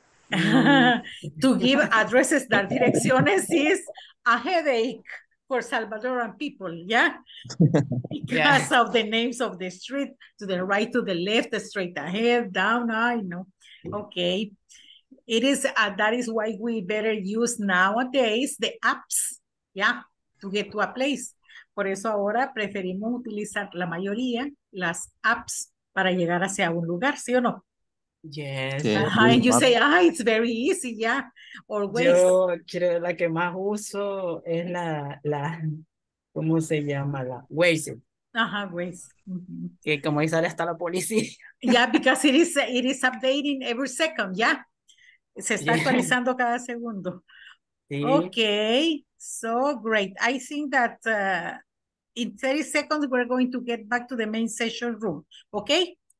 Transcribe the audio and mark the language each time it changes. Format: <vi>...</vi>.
<en>To give addresses,</en> <es>dar direcciones</es> <en>is a headache for Salvadoran people, yeah? Because of the names of the street, to the right, to the left, straight ahead, down, I know. Okay. It is, that is why we better use nowadays the apps, yeah, to get to a place.</en> <es>Por eso ahora preferimos utilizar la mayoría, las apps, para llegar hacia un lugar, ¿sí o no?</es> <en>Yes. Uh-huh. And you say, ah, oh, it's very easy, yeah. Always.</en> <es>Yo creo la que más uso es la ¿cómo se llama? La Waze. Ajá, uh-huh, Waze. Mm-hmm. Que como ahí sale hasta la policía.</es> <en>Yeah, because it is updating every second, yeah.</en> <es>Se está actualizando cada segundo. Sí.</es> <en>Okay, so great. I think that in 30 seconds we're going to get back to the main session room, okay?</en>